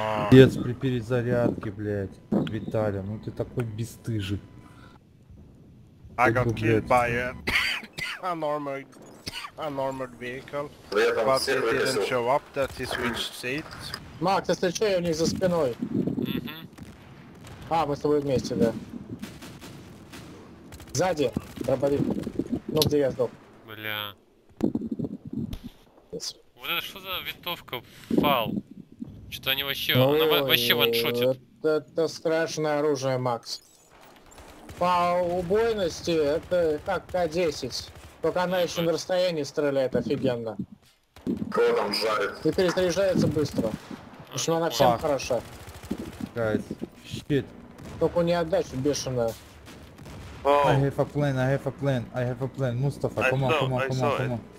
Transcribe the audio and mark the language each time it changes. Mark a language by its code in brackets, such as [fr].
[ru] Пиздец, при перезарядке, блядь. Виталя, ну ты такой бесстыжий. [en] I got killed by an armored vehicle. But it didn't show up that he switched seats. [ru] Макс, ты встречай у них за спиной. А, мы с тобой вместе, да. Сзади, дроболит. Ну где я сдох? Бля. Вот это что за винтовка фал? Что-то они вообще, ой, она вообще ваншотит. Это страшное оружие, Макс. По убойности это как К-10. Только она еще на расстоянии стреляет офигенно. Кто там жарит? И перезаряжается быстро. В общем, она всем хороша. [en] Гайз, щит. [ru] Только у нее отдача бешеная. [en] I have a plan, I have a plan, I have a plan. Мустафа, come on, come on, come on, come on.